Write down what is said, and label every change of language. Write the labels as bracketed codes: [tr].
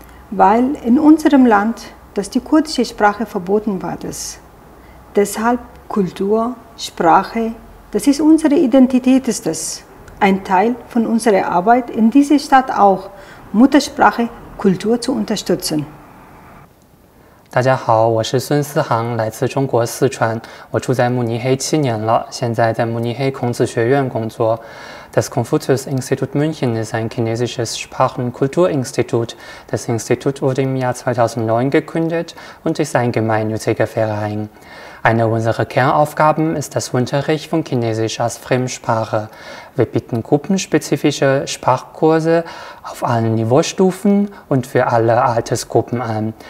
[de] weil in unserem Land, dass die kurdische Sprache verboten war, das. Deshalb Kultur, Sprache, das ist unsere Identität, ist das. Ein Teil von unserer Arbeit in dieser Stadt auch, Muttersprache, Kultur zu unterstützen. [zh] 大家好，我是孙思航，来自中国四川，我住在慕尼黑7年了，现在在慕尼黑孔子学院工作。 [de] Das Konfuzius-Institut München ist ein chinesisches Sprachen- und Kulturinstitut. Das Institut wurde im Jahr 2009 gegründet und ist ein gemeinnütziger Verein. Eine unserer Kernaufgaben ist das Unterricht von Chinesisch als Fremdsprache. Wir bieten gruppenspezifische Sprachkurse auf allen Niveaustufen und für alle Altersgruppen an.